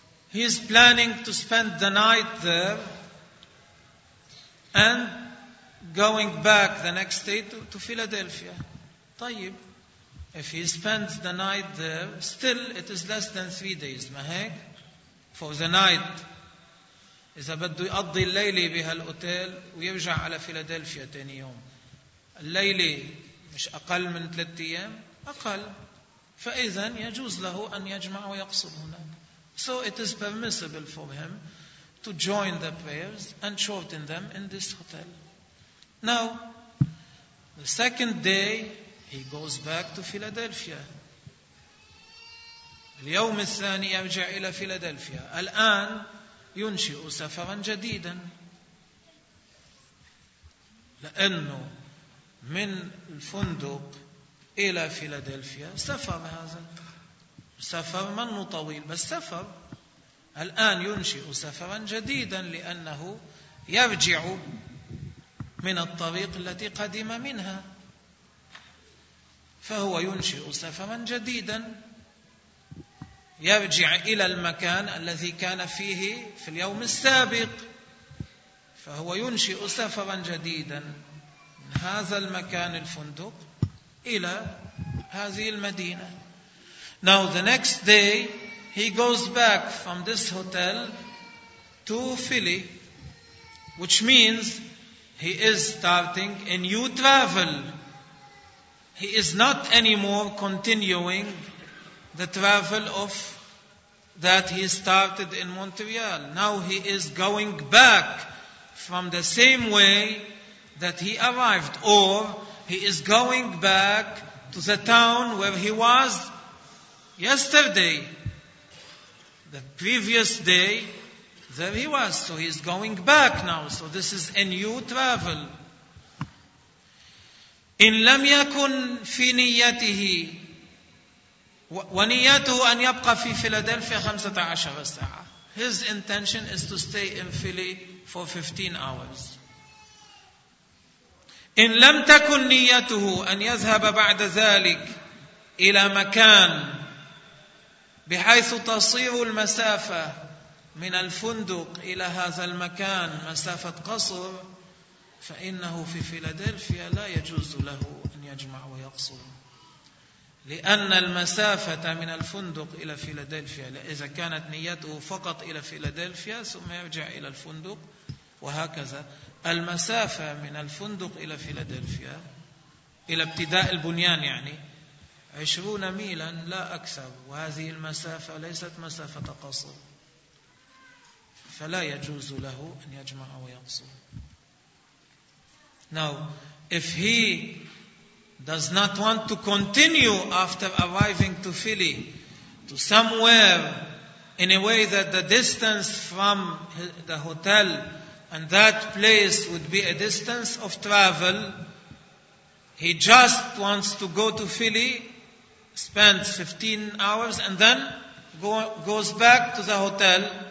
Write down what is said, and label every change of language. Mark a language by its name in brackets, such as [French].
[English] He is planning to spend the night there and going back the next day to Philadelphia. [Arabic] طيب. [English] If he spends the night there, still it is less than 3 days. [Arabic] مهيك. [English] For the night. [Arabic] إذا بده يقضي الليلة بهالأوتيل ويرجع على فيلادلفيا تاني يوم. الليلة مش أقل من 3 أيام؟ أقل. فإذا يجوز له أن يجمع ويقصر هناك. [English] So it is permissible for him to join the prayers and shorten them in this hotel. Now, the second day, he goes back to Philadelphia. [Arabic] اليوم الثاني يرجع إلى فيلادلفيا. الآن ينشئ سفرا جديدا لأنه من الفندق إلى فيلادلفيا سفر هذا سفر منه طويل بس سفر الآن ينشئ سفرا جديدا لأنه يرجع من الطريق التي قدم منها فهو ينشئ سفرا جديدا يرجع إلى المكان الذي كان فيه في اليوم السابق فهو ينشئ سفرا جديدا من هذا المكان الفندق إلى هذه المدينة. [English] Now the next day he goes back from this hotel to Philly, which means he is starting a new travel. He is not anymore continuing the travel of that he started in Montreal. Now he is going back from the same way that he arrived, or he is going back to the town where he was yesterday. The previous day, there he was. So he is going back now. So this is a new travel. [Arabic] إن لم يكن في نيته ونيته أن يبقى في فيلادلفيا 15 ساعة. [English] His intention is to stay in Philly for 15 hours. [Arabic] إن لم تكن نيته أن يذهب بعد ذلك إلى مكان بحيث تصير المسافة من الفندق إلى هذا المكان مسافة قصر فإنه في فيلادلفيا لا يجوز له أن يجمع ويقصر، لأن المسافة من الفندق إلى فيلادلفيا، إذا كانت نيته فقط إلى فيلادلفيا ثم يرجع إلى الفندق وهكذا، المسافة من الفندق إلى فيلادلفيا إلى ابتداء البنيان يعني 20 ميلا لا أكثر، وهذه المسافة ليست مسافة قصر، فلا يجوز له أن يجمع ويقصر. [English] Now, if he does not want to continue after arriving to Philly to somewhere in a way that the distance from the hotel and that place would be a distance of travel, he just wants to go to Philly, spend 15 hours and then goes back to the hotel.